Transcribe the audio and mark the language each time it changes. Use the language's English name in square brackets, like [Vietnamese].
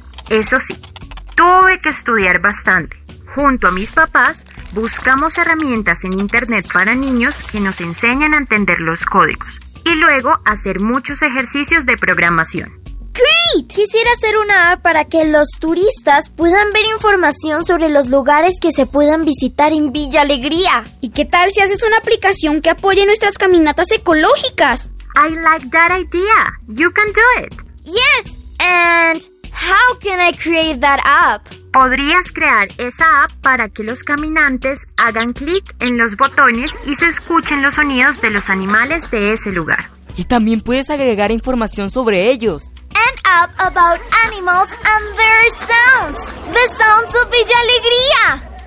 [Spanish] Eso sí, tuve que estudiar bastante. Junto a mis papás, buscamos herramientas en internet para niños que nos enseñan a entender los códigos y luego hacer muchos ejercicios de programación. [English] ¡Great! [Spanish] Quisiera hacer una app para que los turistas puedan ver información sobre los lugares que se puedan visitar en Villa Alegría. ¿Y qué tal si haces una aplicación que apoye nuestras caminatas ecológicas? [English] I like that idea. You can do it. Yes, and how can I create that app? [Spanish] Podrías crear esa app para que los caminantes hagan clic en los botones y se escuchen los sonidos de los animales de ese lugar. Y también puedes agregar información sobre ellos. [English] An app about animals and their sounds. The sounds of Villa Alegría.